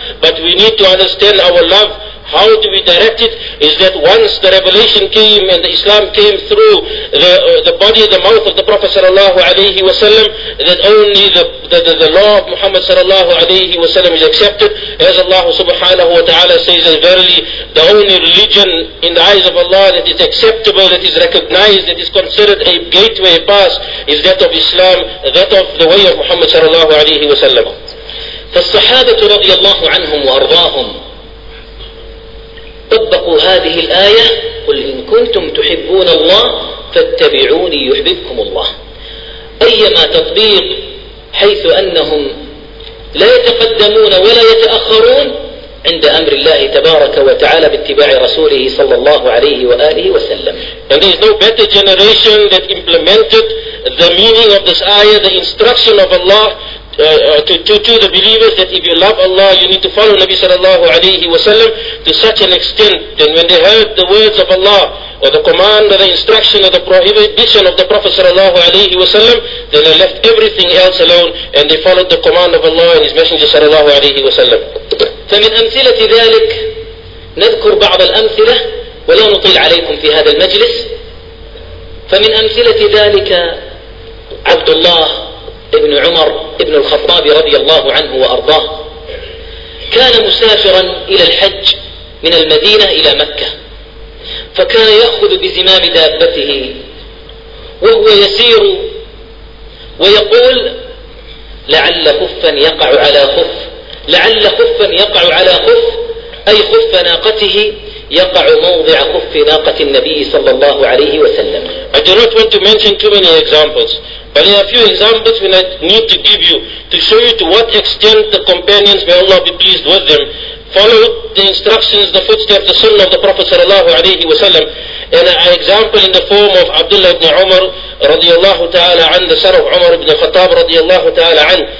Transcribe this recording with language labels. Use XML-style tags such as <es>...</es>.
<en>But we need to understand our love, how to be directed, is that once the revelation came and the Islam came through the body, the mouth of the Prophet sallallahu alayhi wa sallam, that only the law of Muhammad sallallahu alayhi wa sallam is accepted. As Allah subhanahu wa ta'ala says, that verily the only religion in the eyes of Allah that is acceptable, that is recognized, that is considered a gateway, a pass, is that of Islam, that of the way of Muhammad sallallahu alayhi wa sallam.</en> <ar>فالصحابه رضي الله عنهم وارضاهم طبقوا هذه الآية: قل إن كنتم تحبون الله فاتبعوني يحببكم الله. أيما تطبيق، حيث أنهم لا يتقدمون ولا يتأخرون عند أمر الله تبارك وتعالى باتباع رسوله صلى الله عليه وآله وسلم.</ar> <en>And there is no better generation that implemented the meaning of this ayah, the instruction of Allah to the believers, that if you love Allah you need to follow Nabi sallallahu alayhi wa sallam, to such an extent that when they heard the words of Allah, or the command, or the instruction, or the prohibition of the Prophet sallallahu alayhi wa sallam, then they left everything else alone and they followed the command of Allah and his messenger sallallahu alayhi wa sallam.</en> <ar>فمن أمثلة ذلك نذكر بعض الأمثلة ولا نطيل عليكم في هذا المجلس. فمن أمثلة ذلك عبد الله ابن عمر ابن الخطاب رضي الله عنه وأرضاه، كان مسافرا إلى الحج من المدينة إلى مكة، فكان يأخذ بزمام دابته وهو يسير ويقول: لعل خفا يقع على خف، لعل خفا يقع على خف، أي خف ناقته يقع موضع خف ناقة النبي صلى الله عليه وسلم.</ar> <en>I do not want to mention too many examples, but there are a few examples when I need to give you to show you to what extent the companions, may Allah be pleased with them, followed the instructions, the footsteps, the sunnah of the Prophet sallallahu alayhi wa sallam. And an example in the form of Abdullah ibn Umar radiallahu ta'ala an, the son of Umar ibn Khattab radiallahu ta'ala an.</en>